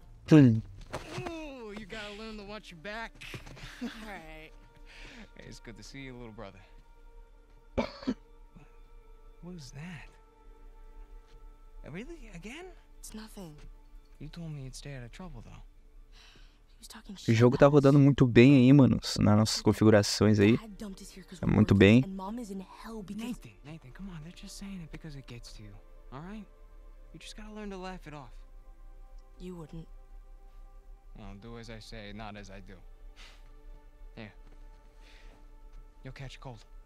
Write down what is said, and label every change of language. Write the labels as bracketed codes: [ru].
[en] You gotta learn to watch your back. All right. Hey, it's good to see you, little brother. What was that? Really? Again? It's nothing. You told me you'd stay out of trouble, though. He was talking [pt] shit. O jogo tá rodando muito bem aí, mano, nas nossas configurações aí. É muito bem. [en] Nathan, come on. They're just saying it because it gets to you. All right? You just gotta learn to laugh it off. You wouldn't. Well, do as I say, not as I do. Here. You'll catch a cold.